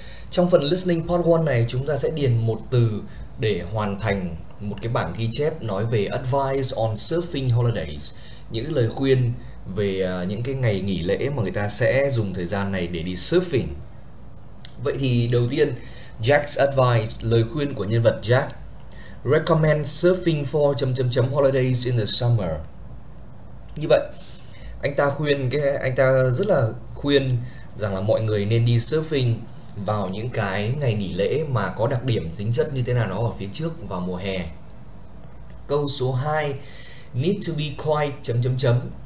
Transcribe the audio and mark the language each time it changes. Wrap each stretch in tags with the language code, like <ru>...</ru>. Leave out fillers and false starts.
<vi>Trong phần listening part 1 này, chúng ta sẽ điền một từ để hoàn thành một cái bảng ghi chép nói về</vi> <en>advice on surfing holidays,</en> <vi>những lời khuyên về những cái ngày nghỉ lễ mà người ta sẽ dùng thời gian này để đi surfing. Vậy thì đầu tiên,</vi> <en>Jack's advice,</en> <vi>lời khuyên của nhân vật Jack.</vi> <en>Recommend surfing for holidays in the summer.</en> <vi>Như vậy, anh ta rất là khuyên rằng là mọi người nên đi surfing vào những cái ngày nghỉ lễ mà có đặc điểm tính chất như thế nào nó ở phía trước vào mùa hè. Câu số 2,</vi> <en>need to be quiet</en> <vi>chấm chấm chấm.</vi>